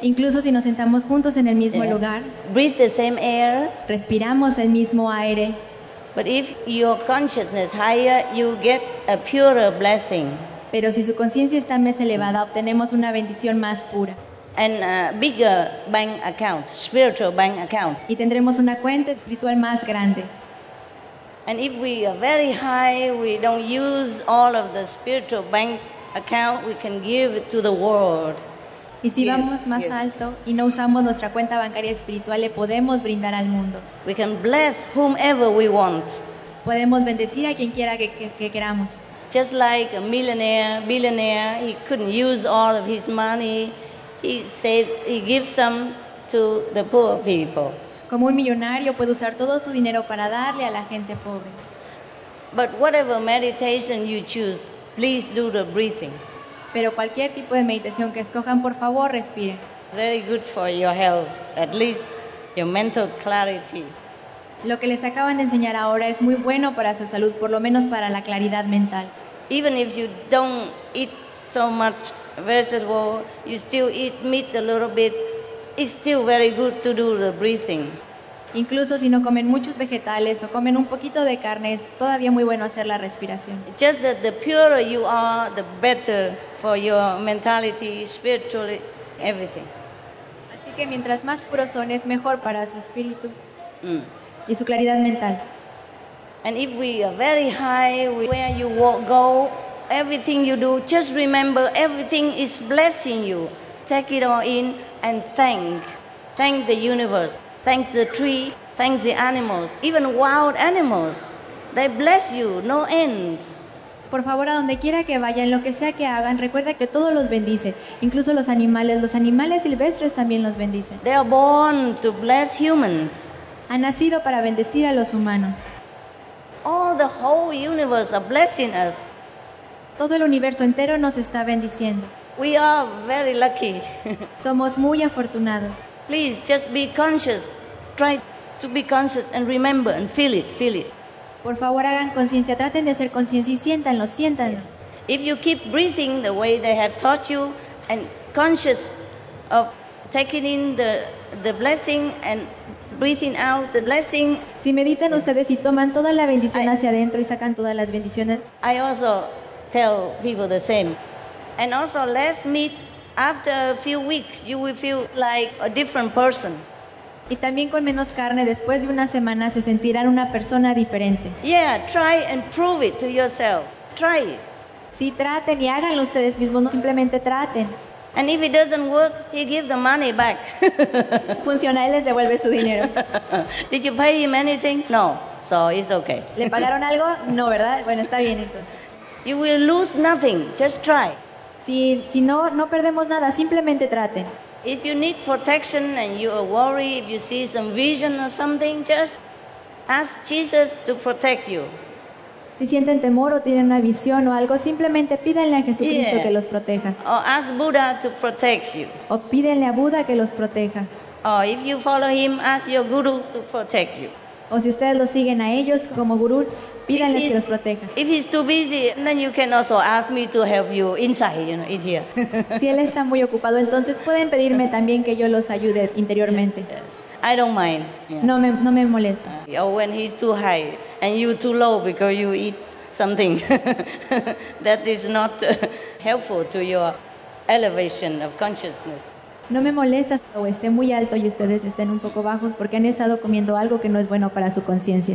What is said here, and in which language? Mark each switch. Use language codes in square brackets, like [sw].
[es] incluso si nos sentamos juntos en el mismo lugar, [en] breathe the same air, [es] respiramos el mismo aire. [en] But if your consciousness higher, you get a purer blessing. [es] Pero si su conciencia está más elevada, obtenemos una bendición más pura. [en] And a bigger bank account, spiritual bank account. [es] Y tendremos una cuenta espiritual más grande. [en] And if we are very high, we don't use all of the spiritual bank account, we can give it to the world. [es] Y si vamos más alto y no usamos nuestra cuenta bancaria espiritual, le podemos brindar al mundo. [en] We can bless whomever we want. [es] Podemos bendecir a quien quiera que queramos. [en] Just like a millionaire, billionaire, he couldn't use all of his money. He gives some to the poor people. [es] Como un millonario puede usar todo su dinero para darle a la gente pobre. [en] But whatever meditation you choose, please do the breathing. [es] Pero cualquier tipo de meditación que escojan, por favor, respiren. [en] Very good for your health, at least your mental clarity. [es] Lo que les acaban de enseñar ahora es muy bueno para su salud, por lo menos para la claridad mental. [en] Even if you don't eat so much vegetable, you still eat meat a little bit, it's still very good to do the breathing. [es] Incluso si no comen muchos vegetales o comen un poquito de carne, es todavía muy bueno hacer la respiración. [en] Just that the purer you are, the better for your mentality, spiritually, everything. [es] Así que mientras más puros son, es mejor para su espíritu y su claridad mental. [en] And if we are very high, where you walk, go, everything you do, just remember everything is blessing you. Take it all in and thank the universe. Thank the tree, thank the animals, even wild animals. They bless you, no end. [es] Por favor, a donde quiera que vayan, lo que sea que hagan, recuerda que todo los bendice, incluso los animales silvestres también los bendicen. [en] They are born to bless humans. [es] Han nacido para bendecir a los humanos. [en] All the whole universe are blessing us. [es] Todo el universo entero nos está bendiciendo. [en] We are very lucky. [es] Somos muy afortunados. [en] Please just be conscious. Try to be conscious and remember and feel it. [es] Por favor, hagan conciencia. Traten de ser conciencia y siéntanlo. Yes. [en] If you keep breathing the way they have taught you and conscious of taking in the blessing and breathing out the blessing. [es] Si meditan ustedes y toman toda la bendición hacia adentro y sacan todas las bendiciones. [en] I also tell people the same. And also less meat. After a few weeks, you will feel like a different person. [es] Y también con menos carne, después de una semana, se sentirán una persona diferente. [en] Yeah, try and prove it to yourself. Try it. [es] Sí, traten y háganlo ustedes mismos, no simplemente traten. [en] And if it doesn't work, he gives the money back. [es] Funciona, él les devuelve su dinero. [en] Did you pay him anything? No, so it's okay. [es] ¿Le pagaron algo? No, ¿verdad? Bueno, está bien entonces. [en] You will lose nothing, just try. [es] Si no, no perdemos nada, simplemente traten. [en] If you need protection and you are worried, if you see some vision or something, just ask Jesus to protect you. [es] Si sienten temor o tienen una visión o algo, simplemente pídanle a Jesucristo que los proteja. [en] Or ask Buddha to protect you. [es] O pídanle a Buda que los proteja. [en] Or if you follow him, ask your guru to protect you. [es] O si ustedes lo siguen a ellos como gurú, pídanles que los proteja. [en] If he's too busy, then you can also ask me to help you inside, you know, in here. [es] Si él está muy ocupado, entonces pueden pedirme también que yo los ayude interiormente. [en] Yes. I don't mind. [es] Yeah. No me molesta. [en] Or when he's too high and you too low because you eat something that is not helpful to your elevation of consciousness. [es] No me molesta o esté muy alto y ustedes estén un poco bajos porque han estado comiendo algo que no es bueno para su conciencia.